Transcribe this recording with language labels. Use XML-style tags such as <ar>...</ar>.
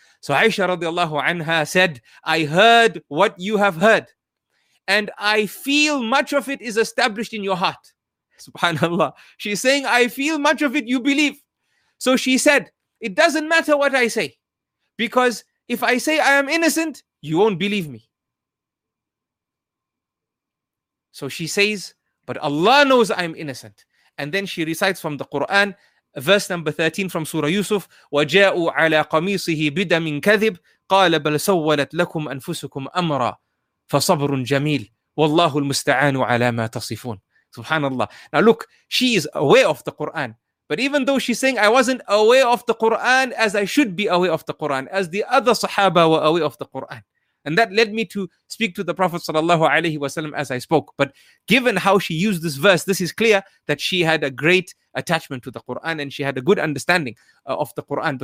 <en>So Aisha radiallahu anha said, I heard what you have heard, and I feel much of it is established in your heart. Subhanallah. She's saying, I feel much of it you believe. So she said, it doesn't matter what I say, because if I say I am innocent, you won't believe me. So she says, but Allah knows I am innocent. And then she recites from the Quran, verse number 13 from Surah Yusuf,</en> <ar>وَجَاءُوا عَلَىٰ قَمِيصِهِ بِدَمٍ كَذِبٍ قَالَ بَلْ سَوَّلَتْ لَكُمْ أَنفُسُكُمْ أَمْرًا فَصَبْرٌ جَمِيلٌ وَاللَّهُ الْمُسْتَعَانُ عَلَىٰ مَا تَصِفُونَ.</ar> <en>Subhanallah. Now look, she is aware of the Quran. But even though she's saying, I wasn't aware of the Quran as I should be aware of the Quran, as the other Sahaba were aware of the Quran. And that led me to speak to the Prophet sallallahu alaihi wasallam as I spoke. But given how she used this verse, this is clear that she had a great attachment to the Quran and she had a good understanding of the Quran.</en>